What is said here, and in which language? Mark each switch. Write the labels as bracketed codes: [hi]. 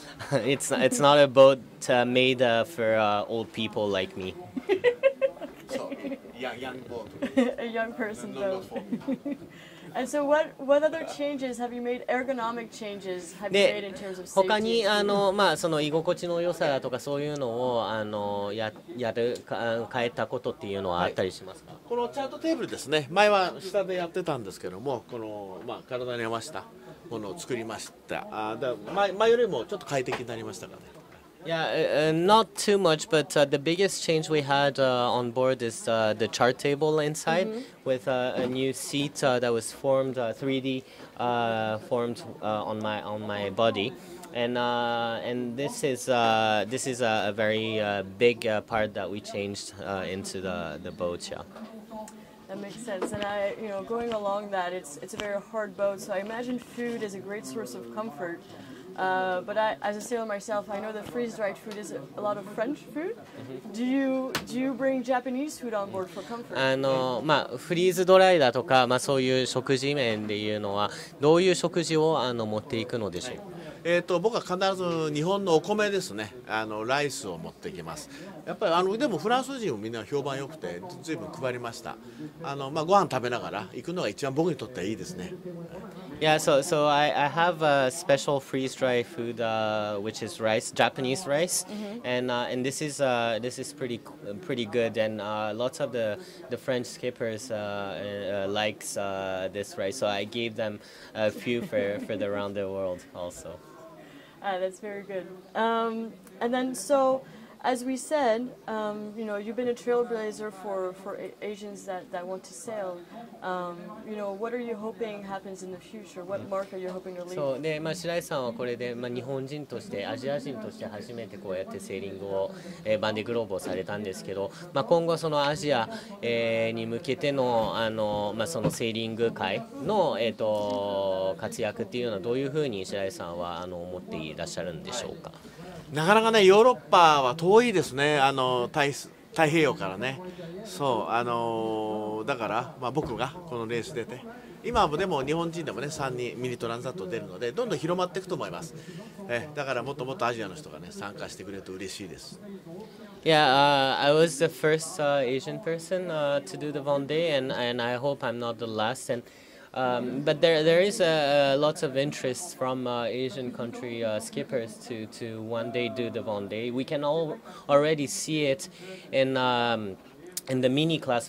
[en] It's not a boat made for old people like me. So, young boat. A young person boat. And so what other changes have you made, ergonomic changes have you made in terms of safety? [ja] 他にまあ、その居心地の良さだとかそういうのを変えたことっていうのはあったりしますか。はい、このチャートテーブルですね、前は下でやってたんですけども、この、まあ、体に合わせたものを作りました。前よりもちょっと快適になりましたかね。 [en] Yeah, not too much, but the biggest change we had on board is the chart table inside, mm-hmm. with a new seat that was formed 3D formed on my body, and this is a very big part that we changed into the boat. Yeah. That makes sense. And I, you know, going along that, it's a very hard boat. So I imagine food is a great source of comfort. But I, as a sailor myself, I know that freeze-dried food is a lot of French food. Do you bring Japanese food on board for comfort? [ja] まあ、フリーズドライだとか、まあ、そういう食事面でいうのはどういう食事を持っていくのでしょう。僕は必ず日本のお米ですね、ライスを持ってきます。やっぱりでもフランス人もみんな評判良くて随分配りました。まあ、ご飯食べながら行くのが一番僕にとってはいいですね。 [en] Yeah, so I have a special freeze-dried food, which is rice, Japanese rice, and this is pretty good, and lots of the French skippers likes this rice, so I gave them a few for the around the world also. That's very good. And then so, as we said, you know, you've been a trailblazer for Asians that want to sail. You know, what are you hoping happens in the future? What mark are you hoping to leave? [ja] そうで、まあ、白井さんはこれで、まあ、日本人としてアジア人として初めてこうやってセーリングを、バンディグローブをされたんですけど、まあ、今後そのアジア、に向けて の, まあ、そのセーリング界の、活躍っていうのはどういうふうに白井さんは思っていらっしゃるんでしょうか。なかなかね、ヨーロッパは遠いですね、太平洋からね。そう、だから、まあ、僕がこのレース出て、今もでも日本人でもね、3人ミニトランザット出るので、どんどん広まっていくと思います。だからもっともっとアジアの人がね、参加してくれると嬉しいです。 [en] Yeah, I was the first Asian person to do the Vendée, and I hope I'm not the last. And... but there is lots of interest from Asian country skippers to one day do the Vendée. We can already see it in the mini class.